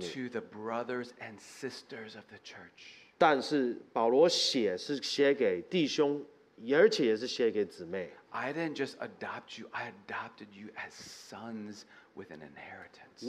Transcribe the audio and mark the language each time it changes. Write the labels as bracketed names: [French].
[English] To the brothers and sisters of the church. [Chinese] 但是保罗写是写给弟兄，而且也是写给姊妹。 [English] I didn't just adopt you, I adopted you as sons with an inheritance.